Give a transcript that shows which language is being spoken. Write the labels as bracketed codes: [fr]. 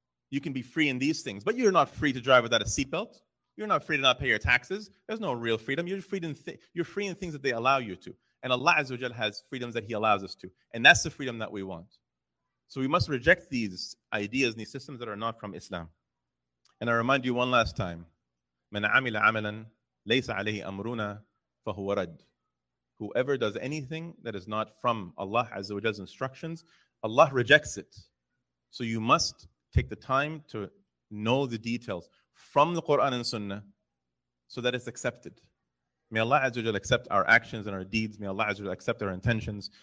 [en] You can be free in these things, but you're not free to drive without a seatbelt. You're not free to not pay your taxes. There's no real freedom. You're free in things that they allow you to. And Allah Azza wa Jalla has freedoms that He allows us to. And that's the freedom that we want. So we must reject these ideas and these systems that are not from Islam. And I remind you one last time, [ar] مَنْ عَمِلَ عَمَلًا لَيْسَ عَلَيْهِ أَمْرُنَا فَهُوَ رَدْ. [en] Whoever does anything that is not from Allah Azza wa Jalla's instructions, Allah rejects it. So you must take the time to know the details from the Quran and Sunnah so that it's accepted. May Allah Azza wa Jalla accept our actions and our deeds. May Allah Azza wa Jalla accept our intentions.